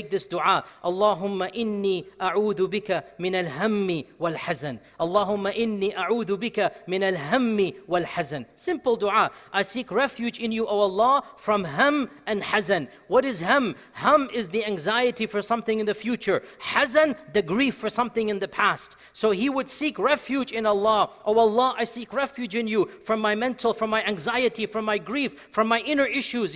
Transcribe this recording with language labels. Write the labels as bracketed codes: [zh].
[ar] Allahumma inni a'udhu bika من الهم والحزن. اللهم إني أعوذ بك من الهم والحزن. [en] Simple dua. I seek refuge in you, O Allah, from ham and hazan. What is ham? Ham is the anxiety for something in the future. Hazan, the grief for something in the past. So he would seek refuge in Allah. O Allah, I seek refuge in you from my mental, from my anxiety, from my grief, from my inner issues.